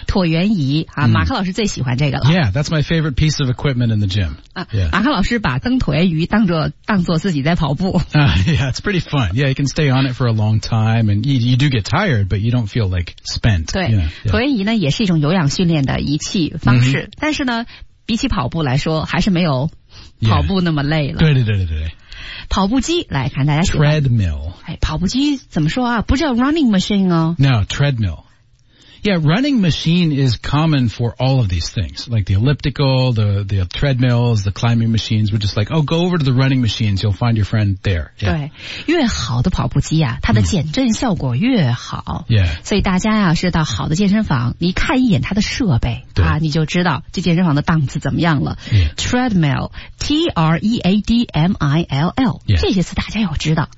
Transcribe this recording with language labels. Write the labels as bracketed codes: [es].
[zh] 椭圆仪、啊嗯、马克老师最喜欢这个了。 [en] Yeah, that's my favorite piece of equipment in the gym.、 [zh] 啊 yeah. 马克老师把蹬椭圆仪当作自己在跑步。 [en] Yeah, it's pretty fun. Yeah, you can stay on it for a long time and you do get tired, but you don't feel like spent. [zh] 对 [en] you know,、yeah. [zh] 椭圆仪呢也是一种有氧训练的仪器方式、mm-hmm. 但是呢比起跑步来说还是没有跑步那么累了。 [en] Yeah. [zh] 对。跑步机来看大家喜 [en] 欢。Treadmill.、 [zh] 哎、跑步机怎么说啊不叫 [en] running machine [zh] 哦。 [en] No, treadmill. Yeah, running machine is common for all of these things, like the elliptical, the treadmills, the climbing machines. We're just like, oh, go over to the running machines. You'll find your friend there.、 Yeah. [zh] 对，越好的跑步机啊，它的减震效果越好。 [en] Mm. Yeah. [zh] 所以大家啊，是到好的健身房，你看一眼它的设备啊，你就知道这健身房的档次怎么样了。 [en] Yeah. Treadmill, T-R-E-A-D-M-I-L-L,、 yeah. [zh] 这些词大家要知道。